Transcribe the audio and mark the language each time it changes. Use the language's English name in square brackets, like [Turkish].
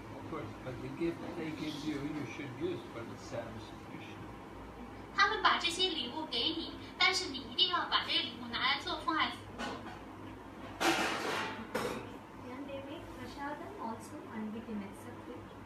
[English] But the gift they give you, you should use for the service of Krishna. [Chinese] 他们把这些礼物给你，但是你一定要把这些礼物拿来做奉爱服务。 [English] Can they make prasadam also and we can accept it?